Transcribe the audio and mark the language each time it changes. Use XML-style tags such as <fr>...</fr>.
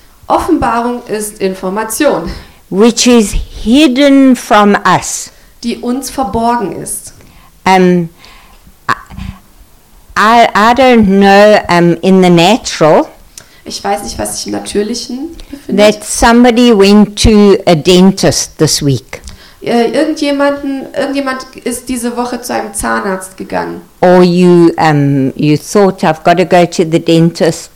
<de>Offenbarung ist Information.</de> <en>Which is hidden from us.</en> <de>Die uns verborgen ist.</de> <en>I don't know in the natural.</en> <de>Ich weiß nicht, was sich im Natürlichen befindet.</de> <en>That somebody went to a dentist this week.</en> <de>Irgendjemand ist diese Woche zu einem Zahnarzt gegangen.</de> <en>Or you thought I've got to go to the dentist.</en>